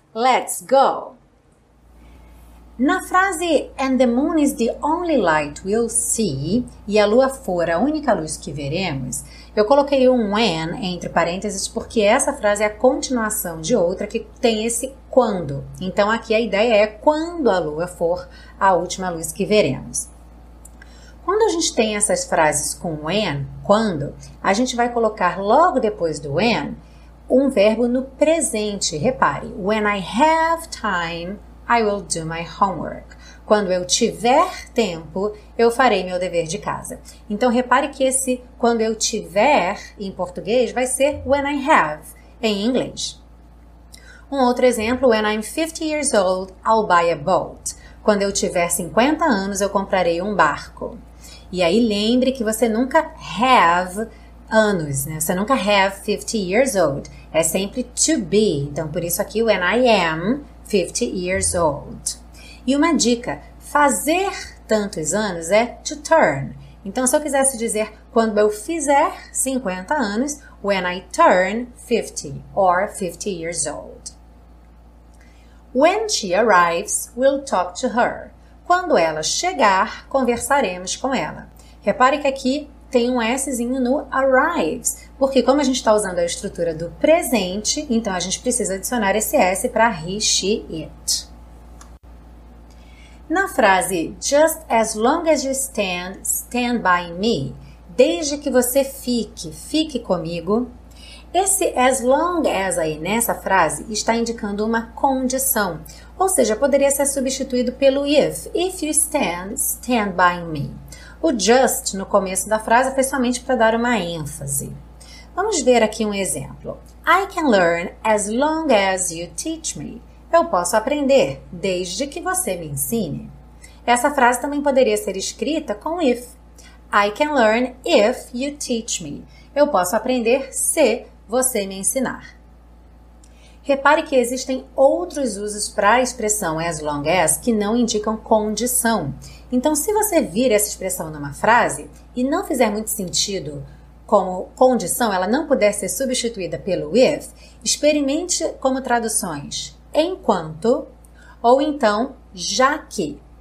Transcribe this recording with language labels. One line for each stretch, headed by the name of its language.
Portuguese: Let's go! Na frase
English: "And the moon is the only light we'll see",
Portuguese: e a lua for a única luz que veremos, eu coloquei um "and" entre parênteses porque essa frase é a continuação de outra que tem esse "quando". Então aqui a ideia é quando a lua for a última luz que veremos. Quando a gente tem essas frases com when, quando, a gente vai colocar logo depois do when um verbo no presente. Repare,
English: when I have time, I will do my homework.
Portuguese: Quando eu tiver tempo, eu farei meu dever de casa. Então, repare que esse quando eu tiver em português vai ser
English: when I have
Portuguese: em inglês. Um outro exemplo,
English: when I'm 50 years old, I'll buy a boat.
Portuguese: Quando eu tiver 50 anos, eu comprarei um barco. E aí lembre que você nunca have anos, né? Você nunca
English: have 50 years old.
Portuguese: É sempre
English: to be.
Portuguese: Então, por isso aqui,
English: when I am 50 years old.
Portuguese: E uma dica, fazer tantos anos é to turn. Então, se eu quisesse dizer quando eu fizer 50 anos,
English: when I turn 50 or 50 years old. When she arrives, we'll talk to her.
Portuguese: Quando ela chegar, conversaremos com ela. Repare que aqui tem um Szinho no arrives, porque como a gente está usando a estrutura do presente, então a gente precisa adicionar esse S para he, she, it. Na frase
English: just as long as you stand, stand by me,
Portuguese: desde que você fique, fique comigo, esse as long as aí nessa frase está indicando uma condição. Ou seja, poderia ser substituído pelo
English: if. If you stand, stand by me.
Portuguese: O just no começo da frase foi somente para dar uma ênfase. Vamos ver aqui um exemplo.
English: I can learn as long as you teach me.
Portuguese: Eu posso aprender desde que você me ensine. Essa frase também poderia ser escrita com if.
English: I can learn if you teach me.
Portuguese: Eu posso aprender se você me ensinar. Repare que existem outros usos para a expressão as long as que não indicam condição. Então, se você vir essa expressão numa frase e não fizer muito sentido como condição, ela não puder ser substituída pelo if, experimente como traduções enquanto ou então já que.